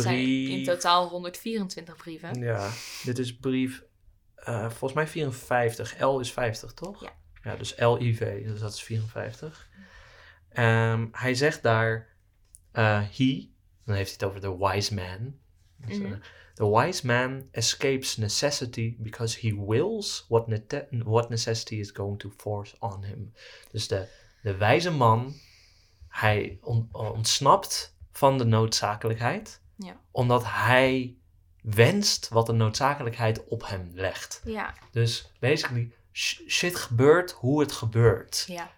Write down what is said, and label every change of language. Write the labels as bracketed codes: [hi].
[nl] Zijn in totaal 124 brieven. Ja, dit is brief, volgens mij 54. L is 50, toch? Ja. Ja, dus LIV, dus dat is 54. Hij zegt daar: dan heeft hij het over de wise man. Dus, [en] the wise man escapes necessity because he wills what necessity is going to force on him. [nl] Dus de wijze man, hij ontsnapt van de noodzakelijkheid. Ja. Omdat hij wenst wat de noodzakelijkheid op hem legt. Ja. Dus basically, shit gebeurt hoe het gebeurt. Ja.